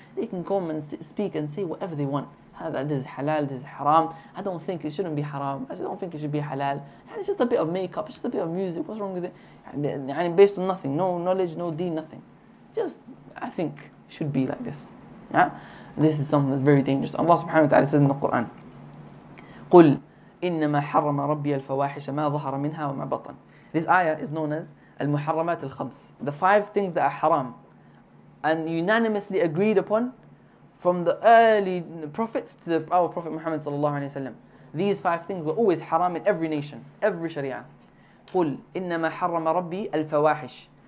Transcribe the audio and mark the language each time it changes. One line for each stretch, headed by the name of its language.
English: They can come and speak and say whatever they want. This is halal, this is haram. I don't think it shouldn't be haram. I don't think it should be halal. And it's just a bit of makeup. It's just a bit of music. What's wrong with it? And based on nothing. No knowledge, no deen, nothing. Just, I think, should be like this. Yeah? This is something that's very dangerous. Allah subhanahu wa ta'ala says in the Quran,
Arabic: قُلْ إِنَّمَا حَرَّمَ رَبِّيَ الْفَوَاحِشَ مَا ظَهَرَ مِنْهَا وَمَا بَطَنَ.
English: This ayah is known as
Arabic: المحرمات الخمس.
English: The five things that are haram and unanimously agreed upon from the early prophets to our Prophet Muhammad sallallahu alaihi wasallam, these five things were always haram in every nation, every sharia.
Arabic: قُلْ إِنَّمَا حَرَّمَ رَبِّي الْفَوَاحِشِ.